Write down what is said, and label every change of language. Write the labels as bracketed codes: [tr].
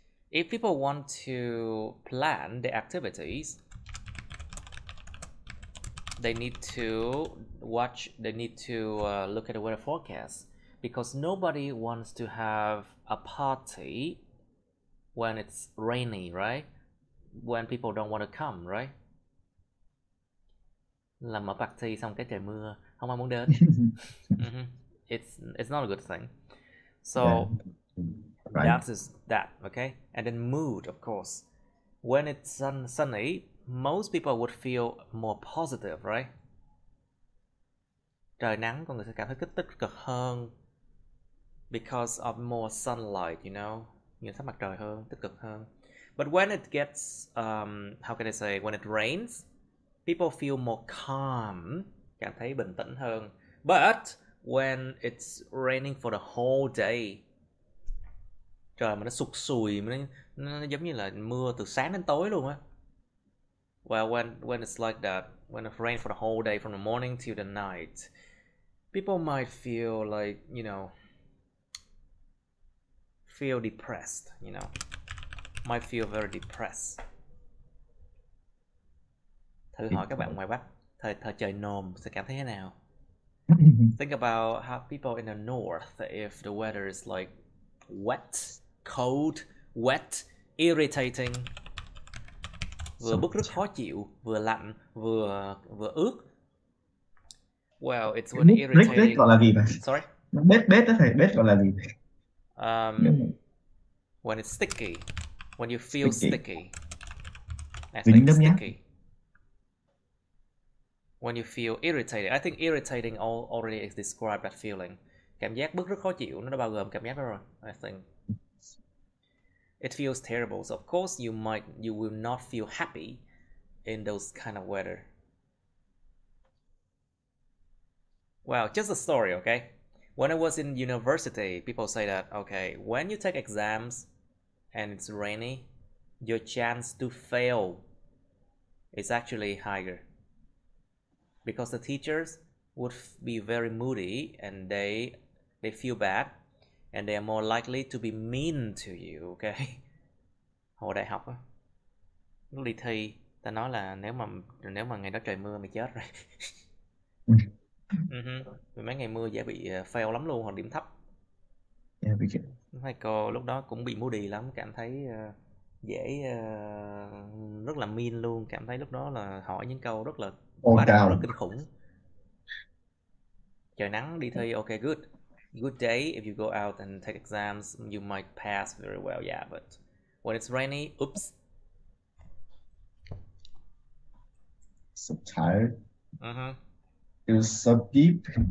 [en] If people want to plan the activities, they need to watch, they need to look at the weather forecast, because nobody wants to have a party when it's rainy, right? When people don't want to come, right? [vi] Làm một party xong cái trời mưa, không ai muốn đến. [en] It's not a good thing. So yeah. Right. That is that, okay? And then mood, of course. When it's sunny, most people would feel more positive, right? [vi] Trời nắng, con người sẽ cảm thấy kích tích cực hơn [en] because of more sunlight, you know? [vi] Nhìn sắc mặt trời hơn, tích cực hơn. [en] But when it gets, how can I say, when it rains, people feel more calm, [vi] cảm thấy bình tĩnh hơn. [en] But when it's raining for the whole day, [vi] trời mà nó sụt sùi, nó giống như là mưa từ sáng đến tối luôn á. [en] Well, when it's like that, when it rains for the whole day from the morning till the night, people might feel like, you know, feel depressed, you know, might feel very depressed. [vi] Thử hỏi các bạn ngoài Bắc, thời trời nồm sẽ cảm thấy thế nào? [en] Think about how people in the north, if the weather is like wet, cold, wet, irritating, [vi] vừa bức rất khó chịu, vừa lạnh, vừa ướt. [en] Well, it's when irritating. [vi] Bết gọi là gì vậy? [en] Sorry. [vi] Bết đó thầy, bết gọi là gì? [en] When it's sticky, when you feel sticky. [vi] Dính đấm nhá. [en] When you feel irritated, I think irritating already described that feeling. [vi] Cảm giác bức rất khó chịu, nó đã bao gồm cảm giác đó rồi, [en] I think. It feels terrible, so of course you will not feel happy in those kind of weather. Well, just a story, okay? When I was in university, people say that, okay, when you take exams and it's rainy, your chance to fail is actually higher. Because the teachers would be very moody and they feel bad and they are more likely to be mean to you, okay? [vi] Hồi đại học á, lúc đi thi, ta nói là nếu mà ngày đó trời mưa mày chết rồi. Vì mấy ngày mưa dễ bị fail lắm luôn, hoặc điểm thấp. Yeah, bị chết. Thầy cô lúc đó cũng bị moody lắm, cảm thấy dễ rất là mean luôn, cảm thấy lúc đó là hỏi những câu rất là bá đạo, kinh khủng. Trời nắng đi thi, [en] ok, good. Good day, if you go out and take exams, you might pass very well, yeah, but when it's rainy, oops. So tired. Uh-huh. It was so deep.